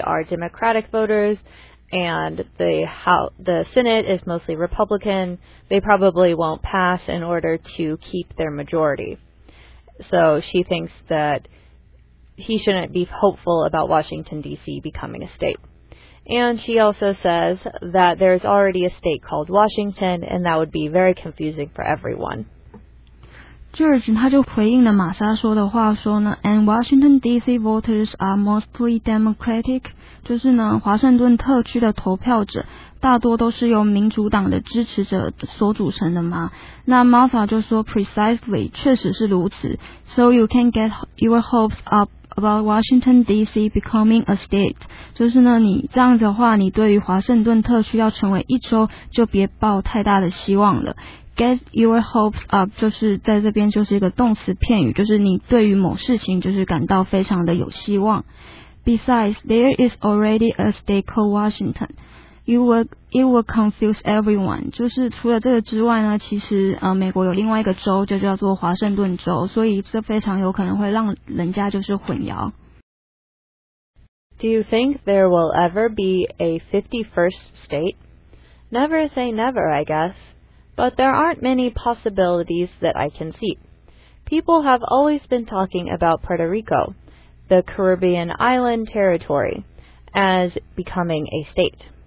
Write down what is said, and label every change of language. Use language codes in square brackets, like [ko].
[en] are Democratic voters, and the Senate is mostly Republican, they probably won't pass in order to keep their majority. So she thinks that he shouldn't be hopeful about Washington, D.C. becoming a state. And she also says that there's already a state called Washington, and that would be very confusing for everyone. [zh] George, 他就回应了玛莎说的话说呢 , [en] and Washington DC voters are mostly Democratic, [zh] 就是呢华盛顿特区的投票者大多都是由民主党的支持者所组成的嘛。那 Martha 就说 [en] precisely, [zh] 确实是如此 , [en] so you can get your hopes up about Washington DC becoming a state, [zh] 就是呢你这样子的话你对于华盛顿特区要成为一州就别抱太大的希望了。 [en] Get your hopes up, [zh] 就是在这边就是一个动词片语，就是你对于某事情就是感到非常的有希望。 [en] Besides, there is already a state called Washington. It will confuse everyone. [zh] 就是除了这个之外呢，其实美国有另外一个州就叫做华盛顿州，所以这非常有可能会让人家就是混淆。 [en] Do you think there will ever be a 51st state? Never say never, I guess. But there aren't many possibilities that I can see. People have always been talking about Puerto Rico, the Caribbean island territory, as becoming a state.